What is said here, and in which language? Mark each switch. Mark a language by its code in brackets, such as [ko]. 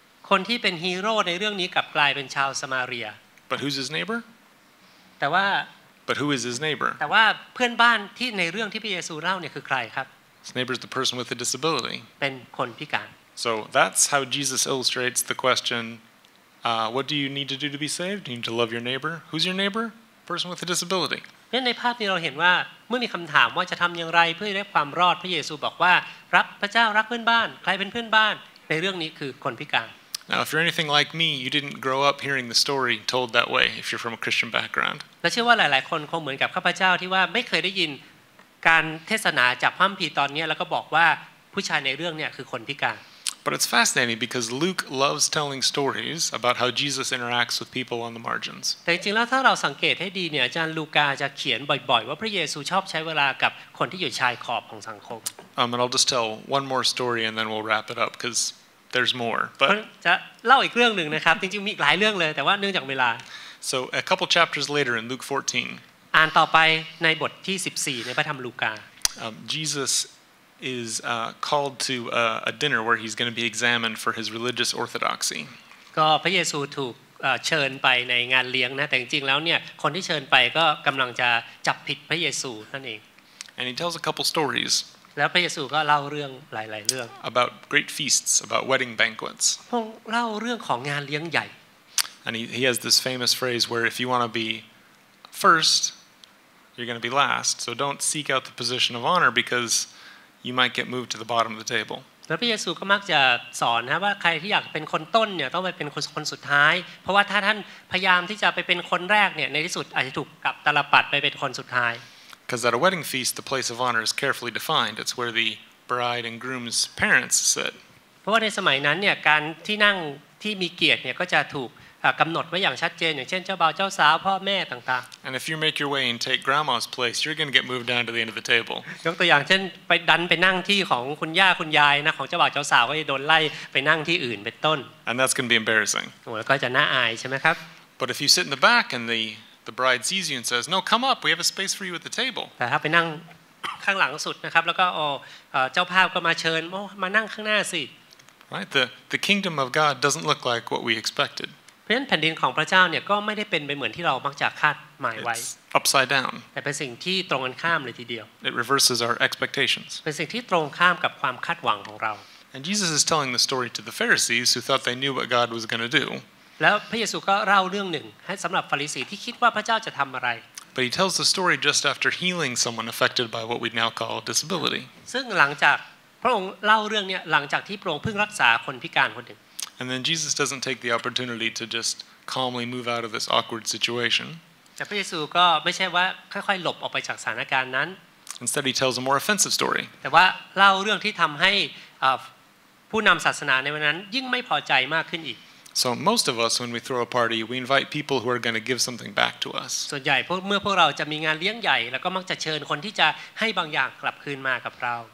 [th] คนที่เป็นฮีโร่ในเรื่องนี้กลับกลายเป็นชาวสมาเรีย [en] But who's his neighbor? But who is his neighbor? [th] แต่ว่าเพื่อนบ้านที่ในเรื่องที่พระเยซูเล่าเนี่ยคือใครครับ [en] His neighbor is the person with a disability. [th] เป็นคนพิการ [en] So that's how Jesus illustrates the question, what do you need to do to be saved? You need to love your neighbor. Who's your neighbor? Person with a disability. [th] เพราะในภาพนี้เราเห็นว่าเมื่อมีคำถามว่าจะทำอย่างไรเพื่อได้ความรอดพระเยซูบอกว่ารักพระเจ้ารักเพื่อนบ้านใครเป็นเพื่อนบ้านในเรื่องนี้คือคนพิการ [en] Now, if you're anything like me, you didn't grow up hearing the story told that way. If you're from a Christian background, [th] และเชื่อว่าหลายๆคนคงเหมือนกับข้าพเจ้าที่ว่าไม่เคยได้ยินการเทศนาจากพระคัมภีร์ตอนนี้แล้วก็บอกว่าผู้ชายในเรื่องเนี่ยคือคนพิการ [en] But it's fascinating because Luke loves telling stories about how Jesus interacts with people on the margins. [th] แต่จริงๆแล้วถ้าเราสังเกตให้ดีเนี่ยอาจารย์ลูกาจะเขียนบ่อยๆว่าพระเยซูชอบใช้เวลากับคนที่อยู่ชายขอบของสังคม [en] And I'll just tell one more story and then we'll wrap it up becauseThere's more, but [th] จะเล่าอีกเรื่องหนึ่งนะครับจริงๆมีหลายเรื่องเลยแต่ว่าเนื่องจากเวลา [en] So a couple chapters later in Luke 14. [th] อ่านต่อไปในบทที่14ในพระธรรมลูกา [en] Jesus is called to a dinner where he's going to be examined for his religious orthodoxy. [th] ก็พระเยซูถูกเชิญไปในงานเลี้ยงนะแต่จริงๆแล้วเนี่ยคนที่เชิญไปก็กำลังจะจับผิดพระเยซูนั่นเอง [en] And he tells a couple stories. [th] แล้วพระเยซูก็เล่าเรื่องหลายๆเรื่อง [en] About great feasts, about wedding banquets. [th] พงเล่าเรื่องของงานเลี้ยงใหญ่ [en] And he has this famous phrase where if you want to be first, you're going to be last. So don't seek out the position of honor because you might get moved to the bottom of the table. [th] แล้วพระเยซูก็มักจะสอนนะว่าใครที่อยากเป็นคนต้นเนี่ยต้องไปเป็นคนสุดท้ายเพราะว่าถ้าท่านพยายามที่จะไปเป็นคนแรกเนี่ยในที่สุดอาจจะถูกกับตลับปัดไปเป็นคนสุดท้าย [en] Because at a wedding feast the place of honor is carefully defined it's where the bride and groom's parents sit [th] เพราะว่าในสมัยนั้นเนี่ยการที่นั่งที่มีเกียรติเนี่ยก็จะถูกกำหนดไว้อย่างชัดเจนอย่างเช่นเจ้าบ่าวเจ้าสาวพ่อแม่ต่าง [en] ๆ And if you make your way and take grandma's place you're going to get moved down to the end of the table [th] ยกตัวอย่างเช่นไปดันไปนั่งที่ของคุณย่าคุณยายนะของเจ้าบ่าวเจ้าสาวก็จะโดนไล่ไปนั่งที่อื่นเป็นต้น [en] And that's going to be embarrassing [th] โอ้แล้วก็จะน่าอายใช่มั้ยครับ [en] But if you sit in the back and the bride sees you and says no come up we have a space for you at the table [th] แต่ถ้าไปนั่งข้างหลังสุดนะครับแล้วก็เจ้าภาพก็มาเชิญมานั่งข้างหน้าสิ [en] Right the kingdom of God doesn't look like what we expected [th] เพราะฉะนั้นแผ่นดินของพระเจ้าเนี่ยก็ไม่ได้เป็นไปเหมือนที่เรามักจะคาดหมายไว้ [en] upside down [th] แต่เป็นสิ่งที่ตรงกันข้ามเลยทีเดียว [en] it reverses our expectations [th] เป็นสิ่งที่ตรงข้ามกับความคาดหวังของเรา [en] and Jesus is telling the story to the Pharisees who thought they knew what God was going to do [th] แล้วพระเยซูก็เล่าเรื่องหนึ่งให้สำหรับฟาริสีที่คิดว่าพระเจ้าจะทำอะไร [en] but he tells the story just after healing someone affected by what we now call disability [th] ซึ่งหลังจากพระองค์เล่าเรื่องเนี่ยหลังจากที่พระองค์เพิ่งรักษาคนพิการคนหนึ่ง [en] And then Jesus doesn't take the opportunity to just calmly move out of this awkward situation. [th] แต่พระเยซูก็ไม่ใช่ว่าค่อยๆหลบออกไปจากสถานการณ์นั้น [en] Instead he tells a more offensive story. [th] แต่ว่าเล่าเรื่องที่ทําให้ผู้นําศาสนาในวันนั้นยิ่งไม่พอใจมากขึ้นอีก [en] So most of us when we throw a party we invite people who are going to give something back to us. [th] ส่วนใหญ่พวกเราจะมีงานเลี้ยงใหญ่แล้วก็มักจะเชิญคนที่จะให้บางอย่างกลับคืนมากับเรา